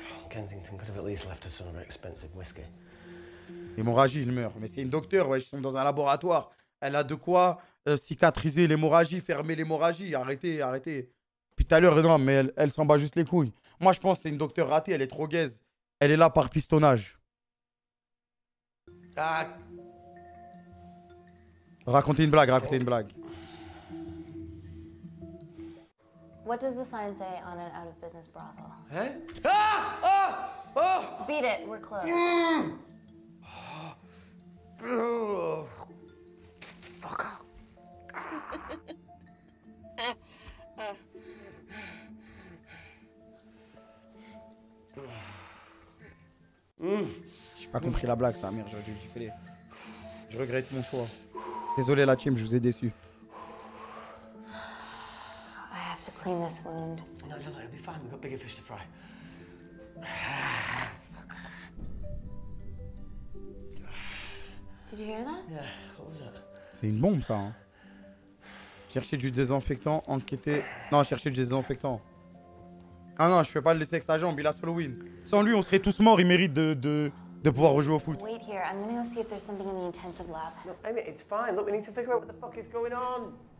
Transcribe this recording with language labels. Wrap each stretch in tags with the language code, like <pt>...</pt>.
<en>Kensington could have at least left us some very expensive whiskey.</en> <fr>L'hémorragie, il meurt. Mais c'est une docteur, ouais, ils sont dans un laboratoire. Elle a de quoi cicatriser l'hémorragie, fermer l'hémorragie. Arrêtez, arrêtez. Puis tout à l'heure, non, mais elle s'en bat juste les couilles. Moi, je pense que c'est une docteur ratée, elle est trop gaise. Elle est là par pistonnage. Ah. Racontez une blague, racontez une blague.</fr> <en>What does the sign say on an out of business brothel? Eh? Beat it, we're close. Fuck off.</en> <fr>J'ai pas compris la blague, ça, merde, j'aurais dû le gifler. Je regrette mon choix. Désolé la team, je vous ai déçu.</fr> <en>Clean this wound. No, no, it'll be fine. We've got bigger fish to fry. Did you hear that? Yeah, what was that?</en> <fr>C'est une bombe, ça. Hein. Chercher du désinfectant, enquêter. Non, chercher du désinfectant. Ah non, je peux pas le laisser avec sa jambe, il a</fr> <en>solo win.</en> <fr>Sans lui, on serait tous morts. Il mérite de pouvoir rejouer au foot.</fr> <en>Wait here, I'm gonna go see if there's something in the intensive lab. No, I mean, it's fine. Look, we need to figure out what the fuck is going on.</en>